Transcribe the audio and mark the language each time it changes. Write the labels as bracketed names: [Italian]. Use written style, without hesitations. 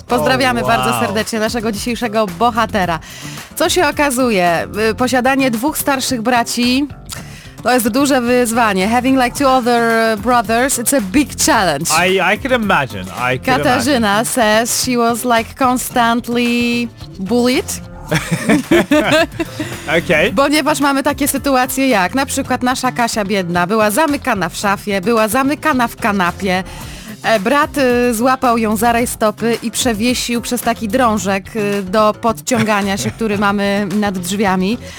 [Polish] Pozdrawiamy bardzo serdecznie naszego dzisiejszego bohatera. Co się okazuje? Posiadanie dwóch starszych braci to jest duże wyzwanie. [English] Having like two other brothers, it's a big challenge. I could imagine. Katarzyna says she was like constantly bullied. Okay. [Polish] Ponieważ mamy takie sytuacje jak na przykład nasza Kasia biedna była zamykana w szafie, była zamykana w kanapie. Brat złapał ją za rajstopy i przewiesił przez taki drążek do podciągania się, który mamy nad drzwiami.